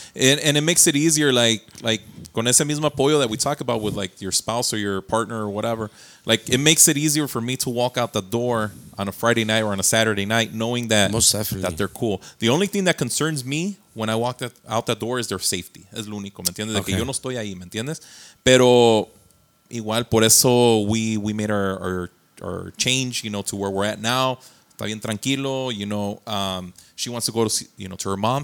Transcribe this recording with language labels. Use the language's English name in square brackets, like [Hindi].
[English] And it makes it easier, like [Spanish] con ese mismo apoyo [English] that we talk about with like your spouse or your partner or whatever. Like, it makes it easier for me to walk out the door on a Friday night or on a Saturday night knowing that that they're cool. The only thing that concerns me when I walk out the door is their safety. [Spanish] Es lo único, ¿me entiendes? Okay. De que yo no estoy ahí, ¿me entiendes? Pero igual, por eso [English] we made our change, you know, to where we're at now. [Spanish] Está bien tranquilo, [English] you know. She wants to go to, you know, to her mom.